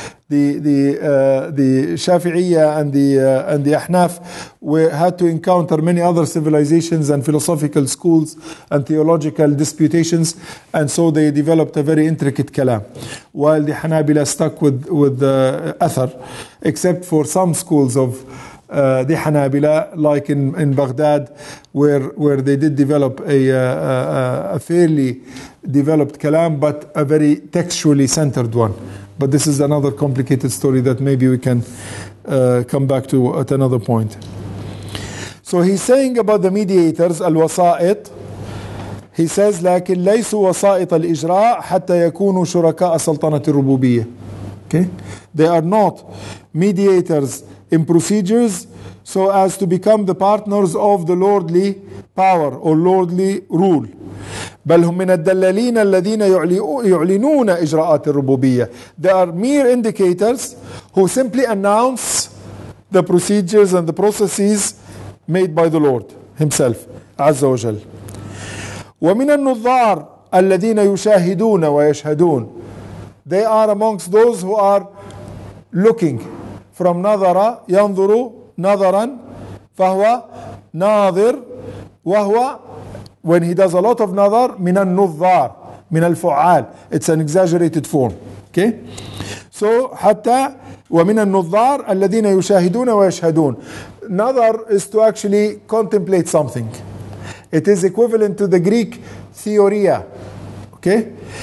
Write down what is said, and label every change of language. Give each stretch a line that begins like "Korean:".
English: The Shafi'iyya and the Ahnaf had to encounter many other civilizations and philosophical schools and theological disputations, and so they developed a very intricate kalam, while the Hanabila stuck with the Athar, except for some schools of the Hanabila, like in Baghdad, where they did develop a fairly developed kalam, but a very textually centered one. But this is another complicated story that maybe we can come back to at another point. So he's saying about the mediators, al-wasa'it. He says,
Arabic: لَكِنْ لَيْسُ وَسَائِطَ الْإِجْرَاءِ حَتَّى يَكُونُوا شُرَكَاءَ سَلْطَنَةِ الرُّبُوبِيَّةِ.
English: Okay? They are not mediators in procedures so as to become the partners of the lordly power or lordly rule.
Arabic: بل هم من الدلالين الذين يعلنون إجراءات الربوبية.
English: They are mere indicators who simply announce the procedures and the processes made by the Lord himself, عز وجل.
Arabic: ومن النظار الذين يشاهدون ويشهدون.
English: They are amongst those who are looking.
Arabic: From نظر ينظر نظرا فهو ناظر وهو.
English: When he does a lot of nadar,
Arabic: min al-nuzar, min al-fu'al.
English: It's an exaggerated form. Okay? So,
Arabic: hatta, wa min al-nuzar, al-ladina yushahiduna wa yashhadun.
English: Nadar is to actually contemplate something. It is equivalent to the Greek theoria. Okay?